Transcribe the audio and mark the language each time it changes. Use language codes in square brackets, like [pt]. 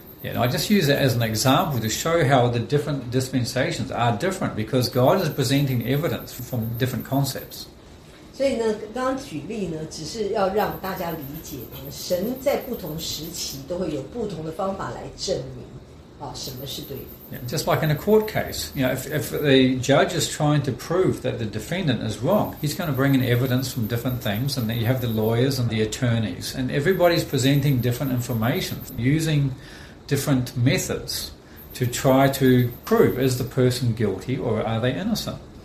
[en] Yeah, I just use it as an example to show how the different dispensations are different because God is presenting evidence from different concepts. [zh] 所以呢，刚刚举例呢，只是要让大家理解呢，神在不同时期都会有不同的方法来证明，啊，什么是对的。 [en] Just like in a court case, you know, if the judge is trying to prove that the defendant is wrong, he's going to bring in evidence from different things, and then you have the lawyers and the attorneys, and everybody's presenting different information, using different methods to try to prove is the person guilty or are they innocent.